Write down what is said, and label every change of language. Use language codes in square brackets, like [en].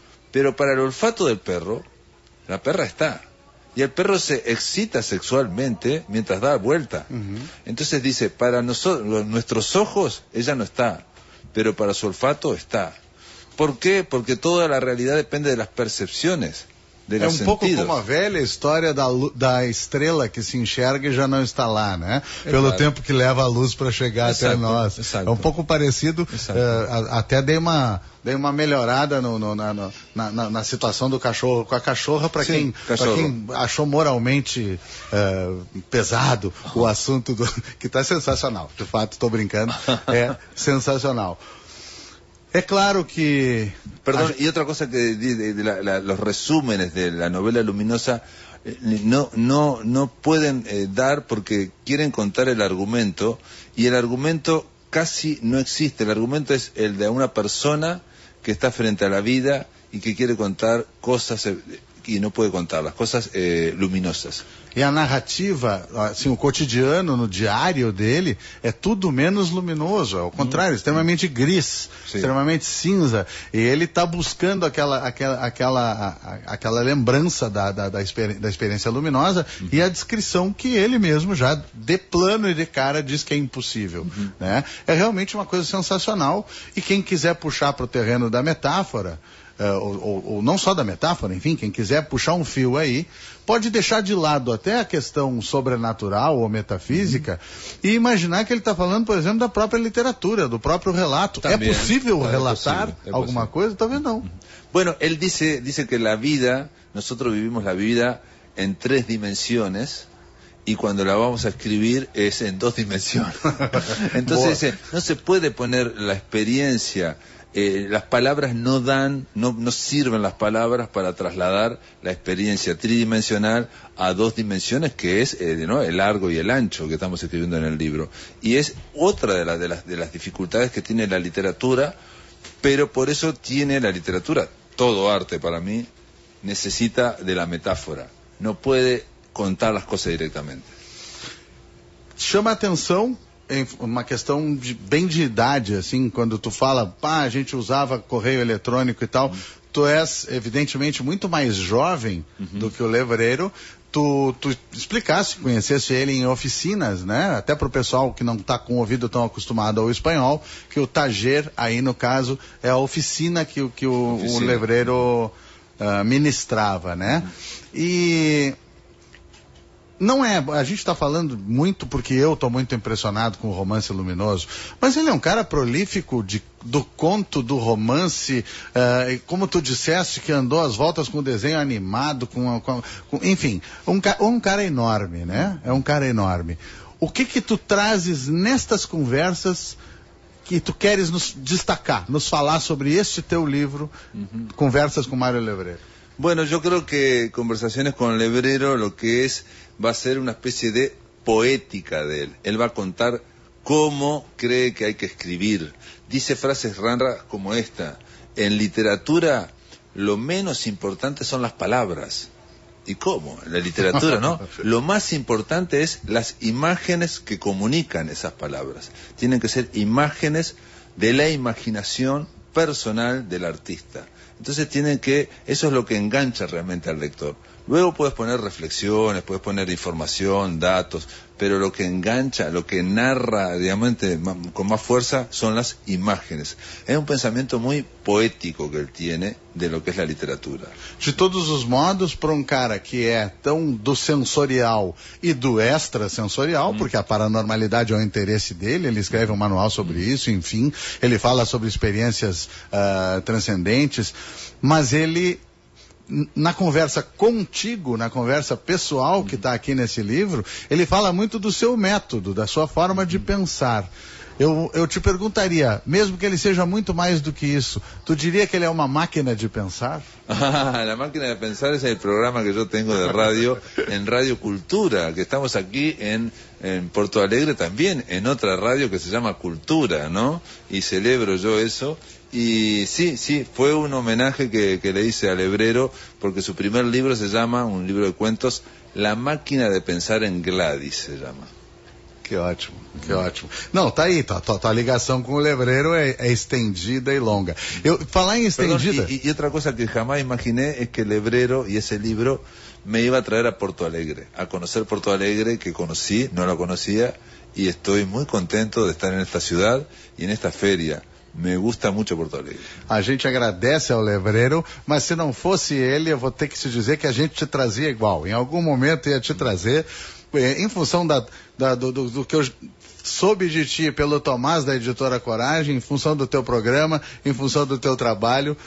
[es] Pero para el olfato del perro, la perra está. Y el perro se excita sexualmente mientras da vuelta. Uh-huh. Entonces dice, para nosotros, nuestros ojos, ella no está, pero para su olfato está. ¿Por qué? Porque toda la realidad depende de las percepciones [pt] É um pouco como a velha história da estrela que se enxerga e já não está lá, né? Pelo tempo que leva a luz para chegar até nós. É um pouco parecido, até dei uma melhorada na situação do cachorro com a cachorra, para quem achou moralmente pesado o assunto, que está sensacional. De fato, estou brincando, é sensacional. É claro que... [es] Perdón, y otra cosa que los resúmenes de la novela luminosa no pueden dar porque quieren contar el argumento, y el argumento casi no existe. El argumento es el de una persona que está frente a la vida y que quiere contar cosas y no puede contarlas, cosas luminosas. Y la narrativa, así, el cotidiano, no diario de él, es todo menos luminoso, al contrario, extremamente gris, [pt] extremamente cinza, [es] y él está buscando aquella lembranza da experiencia luminosa y a descripción que él mismo ya de plano y de cara dice que es imposible. [pt] Né? [es] Es realmente una cosa sensacional, y quien [pt] quiser puxar para el terreno da metáfora, ou não só da metáfora, enfim, quem quiser puxar um fio aí, pode deixar de lado até a questão sobrenatural ou metafísica e imaginar que ele está falando, por exemplo, da própria literatura, do próprio relato. Também, é possível relatar alguma coisa? Talvez não. Bueno, ele disse que a vida, nós vivimos a vida em três dimensões, [es] y cuando la vamos a escribir es en dos dimensiones. Entonces dice, no se puede poner la experiencia, las palabras no dan, no sirven las palabras para trasladar la experiencia tridimensional a dos dimensiones, que es ¿no? el largo y el ancho que estamos escribiendo en el libro. Y es otra de las dificultades que tiene la literatura, pero por eso tiene la literatura, todo arte para mí, necesita de la metáfora. No puede contar [pt] as coisas diretamente. Chama a atenção em uma questão bem de idade, assim, quando tu fala, pá, a gente usava correio eletrônico e tal, tu és evidentemente muito mais jovem do que o Levreiro. Tu explicasse, conhecesse ele em oficinas, né? Até para o pessoal que não está com o ouvido tão acostumado ao espanhol, que o Tajer, aí no caso, é a oficina que o Levreiro ministrava, né? E... não é, a gente está falando muito porque eu estou muito impressionado com o romance luminoso, mas ele é um cara prolífico do conto, do romance, como tu disseste, que andou às voltas com o desenho animado, enfim, um cara enorme, né? É um cara enorme. O que que tu trazes nestas conversas que tu queres nos destacar, nos falar sobre este teu livro, Conversas com Mario Levreiro? [es] Bueno, yo creo que Conversaciones con Levreiro lo que es, va a ser una especie de poética de él. Él va a contar cómo cree que hay que escribir. Dice frases raras como esta: en literatura lo menos importante son las palabras. ¿Y cómo? En la literatura, ¿no? Lo más importante es las imágenes que comunican esas palabras. Tienen que ser imágenes de la imaginación personal del artista. Entonces tienen que, eso es lo que engancha realmente al lector. Luego puedes poner reflexiones, puedes poner información, datos, pero lo que engancha, lo que narra, digamos, con más fuerza, son las imágenes. Es un pensamiento muy poético que él tiene de lo que es la literatura. De todos los modos, para un cara que es tan do sensorial y do extrasensorial, porque a paranormalidad es el interés de él, él escribe un manual sobre eso, en fin, él habla sobre experiencias transcendentes, mas él... [pt] na conversa contigo, na conversa pessoal que está aqui nesse livro, ele fala muito do seu método, da sua forma de pensar. Eu te perguntaria, mesmo que ele seja muito mais do que isso, tu diria que ele é uma máquina de pensar? A máquina de pensar é o programa que eu tenho de rádio, em Rádio Cultura, que estamos aqui em Porto Alegre também, em outra rádio que se chama Cultura, não? E celebro eu isso. [es] Y sí, fue un homenaje que le hice a Levreiro, porque su primer libro se llama, un libro de cuentos, La máquina de pensar en Gladys, se llama. [pt] Qué ótimo, qué ótimo. [es] No, está ahí, tu ligación con Levreiro es extendida y longa. [pt] Falar en extendida... [es] Perdón, y otra cosa que jamás imaginé es que Levreiro y ese libro me iba a traer a Porto Alegre, a conocer Porto Alegre, que conocí, no lo conocía, y estoy muy contento de estar en esta ciudad y en esta feria. Me gusta mucho Porto Alegre. [pt] A gente agradece ao Lebrero, mas se não fosse ele, eu vou ter que te dizer que a gente te trazia igual. Em algum momento ia te trazer, em função do que eu soube de ti pelo Tomás da Editora Coragem, em função do teu programa, em função do teu trabalho.